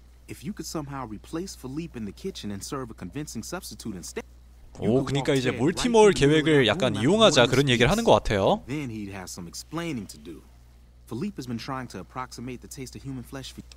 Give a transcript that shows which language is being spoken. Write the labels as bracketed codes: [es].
[en] If you could somehow replace Philippe in the kitchen and serve a convincing substitute instead. [ko] 오, 그러니까 이제 몰티몰 계획을 약간 이용하자 그런 얘기를 하는 것 같아요. [en] Then he'd have some explaining to do. Philippe has been trying to approximate the taste of human flesh.